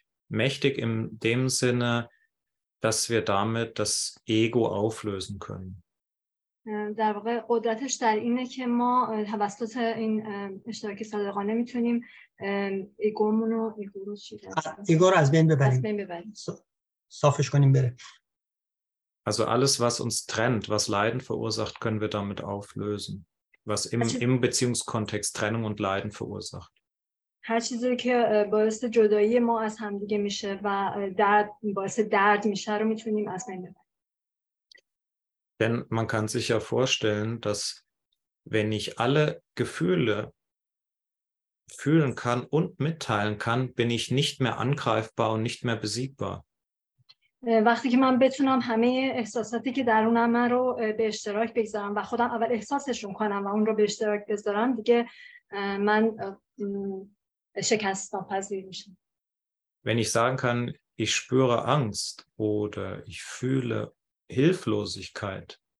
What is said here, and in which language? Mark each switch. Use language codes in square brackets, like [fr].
[de] Mächtig in dem Sinne, dass wir damit das Ego auflösen können. [fa] در واقع قدرتش در اینه که ما توسط این اشتراک صادقانه میتونیم ایگومونو ایگورو چیزی ایگور از بین ببریم. از بین ببریم. صافش کنیم بره. [de] Also alles was uns trennt, was Leiden verursacht, können wir damit auflösen. Was im Beziehungskontext Trennung und Leiden verursacht. [fa] هر چیزی که باعث جدایی ما از همدیگه میشه و درد باعث درد میشه رو میتونیم از بین ببریم. [de] Denn man kann sich ja vorstellen, dass wenn ich alle Gefühle fühlen kann und mitteilen kann, bin ich nicht mehr angreifbar und nicht mehr besiegbar. [fa] وقتی که من بتونم همه احساساتی که درونم رو به اشتراک بگذارم و خودم اول احساسشون کنم و اون رو به اشتراک بذارم دیگه من شکست ناپذیر میشم. [de] Wenn ich sagen kann, ich spüre Angst oder ich fühle Hilflosigkeit.